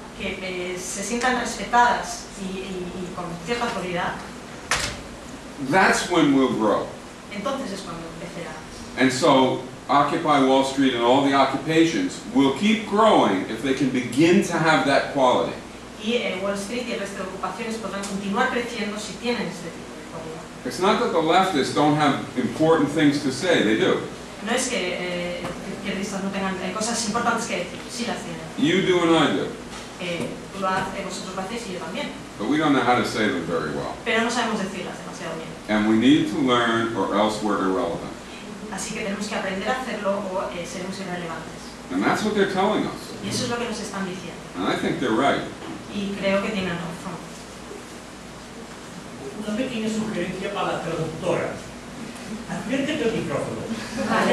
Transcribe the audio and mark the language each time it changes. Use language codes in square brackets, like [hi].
[es] Que se sientan respetadas y con cierta autoridad. [en] That's when we'll grow. [es] Entonces es cuando crecerá. [en] And so Occupy Wall Street and all the occupations will keep growing if they can begin to have that quality. [es] Y Wall Street y el resto de ocupaciones podrán continuar creciendo si tienen este tipo de cualidad. [en] It's not that the leftists don't have important things to say, they do. [es] No es que izquierdistas no tengan cosas importantes que decir, sí las tienen. [en] You do and I do. But we don't know how to say them very well. [es] Pero no sabemos decirlas demasiado bien. [en] And we need to learn or else we're irrelevant. [es] Así que tenemos que aprender a hacerlo o seremos irrelevantes. [en] And that's what they're telling us. [es] Y eso es lo que nos están diciendo. [en] And I think they're right. [es] Y creo que tienen razón. Una pequeña sugerencia para la traductora. Acércate al micrófono. Vale.